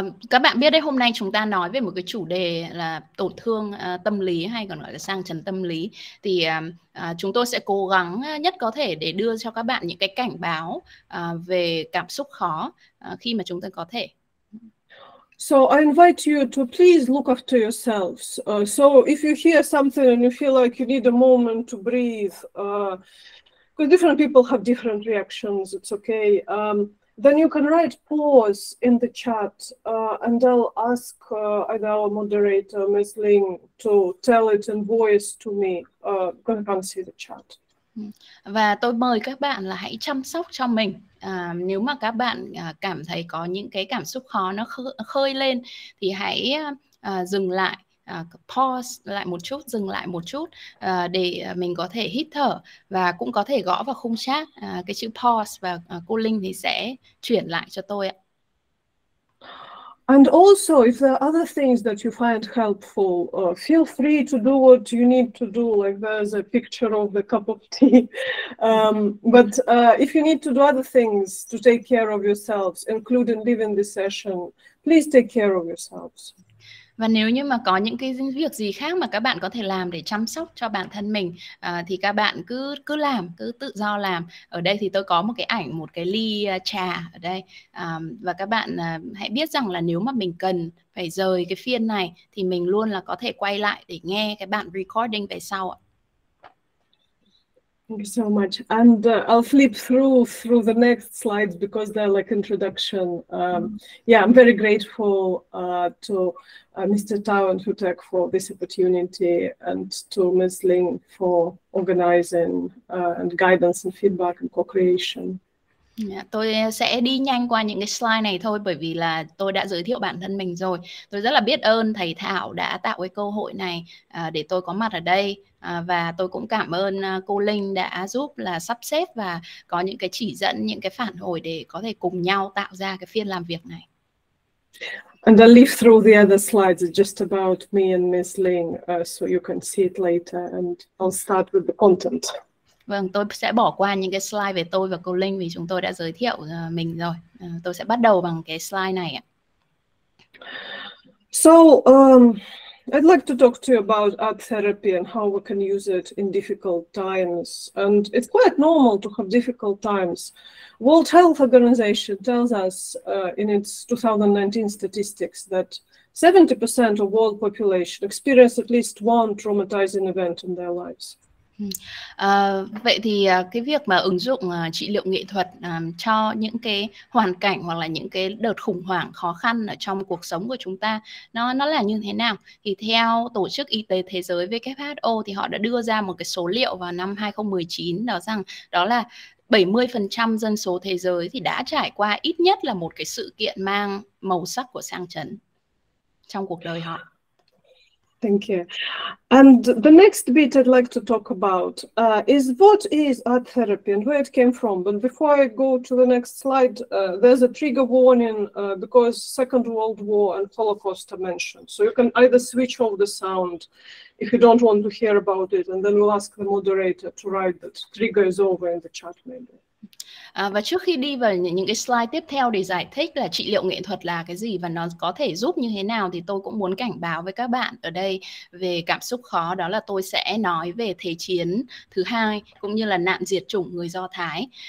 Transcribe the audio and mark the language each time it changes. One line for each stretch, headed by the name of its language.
Vietnamese: Các bạn biết đấy, hôm nay chúng ta nói về một cái chủ đề là tổn thương tâm lý hay còn gọi là sang chấn tâm lý. Thì chúng tôi sẽ cố gắng nhất có thể để đưa cho các bạn những cái cảnh báo về cảm xúc khó khi mà chúng ta có thể.
English: So I invite you to please look after yourselves. So if you hear something and you feel like you need a moment to breathe, because different people have different reactions, it's okay. Then you can write pause in the chat and I'll ask either our moderator, Ms. Linh, to tell it in voice to me, because I can't see the chat.
Vietnamese: Và tôi mời các bạn là hãy chăm sóc cho mình. Nếu mà các bạn cảm thấy có những cái cảm xúc khó nó khơi lên thì hãy dừng lại, pause lại một chút, dừng lại một chút để mình có thể hít thở và cũng có thể gõ vào khung chat cái chữ pause và cô Linh thì sẽ chuyển lại cho tôi ạ.
English: And also if there are other things that you find helpful, feel free to do what you need to do, like there's a picture of the cup of tea. If you need to do other things to take care of yourselves, including leaving this session, please take care of yourselves.
Vietnamese: Và nếu như mà có những cái việc gì khác mà các bạn có thể làm để chăm sóc cho bản thân mình thì các bạn cứ làm, cứ tự do làm. Ở đây thì tôi có một cái ảnh, một cái ly trà ở đây. Và các bạn hãy biết rằng là nếu mà mình cần phải rời cái phiên này thì mình luôn là có thể quay lại để nghe cái bản recording về sau ạ.
English: so much. And I'll flip through the next slides because they're like introduction. Yeah, I'm very grateful to Mr. Tao and Hutek for this opportunity and to Ms. Ling for organizing and guidance and feedback and co-creation.
Vietnamese: Yeah, tôi sẽ đi nhanh qua những cái slide này thôi bởi vì là tôi đã giới thiệu bản thân mình rồi. Tôi rất là biết ơn thầy Thảo đã tạo cái cơ hội này để tôi có mặt ở đây. Và tôi cũng cảm ơn cô Linh đã giúp là sắp xếp và có những cái chỉ dẫn, những cái phản hồi để có thể cùng nhau tạo ra cái phiên làm việc này.
English: And I'll leave through the other slides just about me and Ms. Ling so you can see it later and I'll start with the content.
Vietnamese: Vâng, tôi sẽ bỏ qua những cái slide về tôi và cô Linh vì chúng tôi đã giới thiệu mình rồi. Tôi sẽ bắt đầu bằng cái slide này ạ.
English: So, I'd like to talk to you about art therapy and how we can use it in difficult times. And it's quite normal to have difficult times. World Health Organization tells us in its 2019 statistics that 70% of world population experience at least one traumatizing event in their lives.
Vietnamese: Vậy thì cái việc mà ứng dụng trị liệu nghệ thuật cho những cái hoàn cảnh hoặc là những cái đợt khủng hoảng khó khăn ở trong cuộc sống của chúng ta nó là như thế nào? Thì theo Tổ chức Y tế Thế giới WHO thì họ đã đưa ra một cái số liệu vào năm 2019 đó rằng đó là 70% dân số thế giới thì đã trải qua ít nhất là một cái sự kiện mang màu sắc của sang chấn trong cuộc đời họ.
English: Thank you. And the next bit I'd like to talk about is what is art therapy and where it came from. But before I go to the next slide, there's a trigger warning because Second World War and Holocaust are mentioned. So you can either switch off the sound if you don't want to hear about it, and then we'll ask the moderator to write that trigger is over in the chat maybe.
Vietnamese: Và trước khi đi vào những cái slide tiếp theo để giải thích là trị liệu nghệ thuật là cái gì và nó có thể giúp như thế nào thì tôi cũng muốn cảnh báo với các bạn ở đây về cảm xúc khó, đó là tôi sẽ nói về Thế chiến thứ hai cũng như là nạn diệt chủng người Do Thái.